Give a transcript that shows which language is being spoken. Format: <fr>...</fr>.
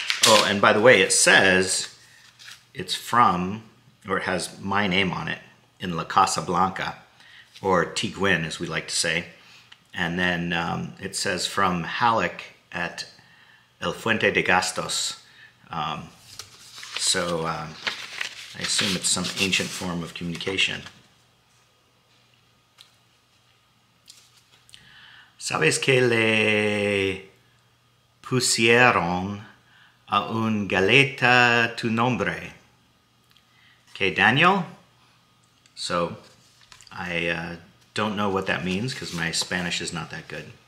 <en>Oh, and by the way, it says it's from, or it has my name on it, in La Casa Blanca, or Tiguin, as we like to say. And then it says from Halleck at El Fuente de Gastos. I assume it's some ancient form of communication.</en> <es>¿Sabes que le pusieron a un galleta tu nombre?</es> <en>Okay, Daniel. So, I don't know what that means because my Spanish is not that good.</en>